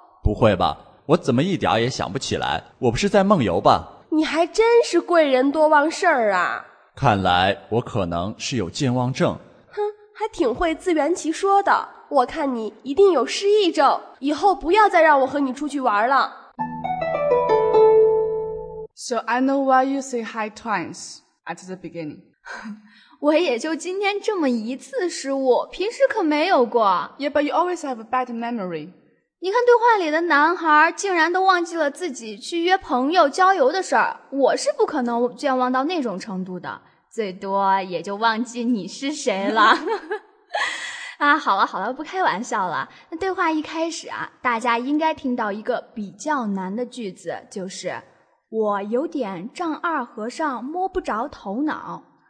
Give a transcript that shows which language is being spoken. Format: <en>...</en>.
<zh>不会吧，我怎么一点也想不起来，我不是在梦游吧？你还真是贵人多忘事儿啊。看来我可能是有健忘症。哼，还挺会自圆其说的，我看你一定有失忆症，以后不要再让我和你出去玩了。</zh> <en>So I know why you say hi twice at the beginning.</en> <zh>我也就今天这么一次失误，平时可没有过。</zh> <en>Yeah, but you always have a bad memory.</en> <zh>你看对话里的男孩竟然都忘记了自己去约朋友郊游的事儿，我是不可能健忘到那种程度的，最多也就忘记你是谁了。啊，好了好了，不开玩笑了。那对话一开始啊，大家应该听到一个比较难的句子，就是我有点丈二和尚摸不着头脑。</zh>